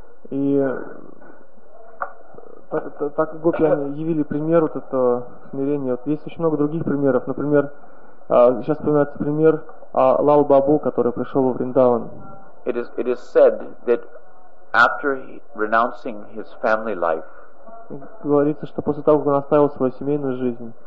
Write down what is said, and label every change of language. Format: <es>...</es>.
<ru>И так гопи они явили пример вот этого смирения. Вот есть очень много других примеров. Например, сейчас вспоминается пример Лал Бабу, который пришел во Вриндаван.</ru> <en>It is said that after renouncing his family life,</en> <ru>говорится, что после того, как он оставил свою семейную жизнь,</ru>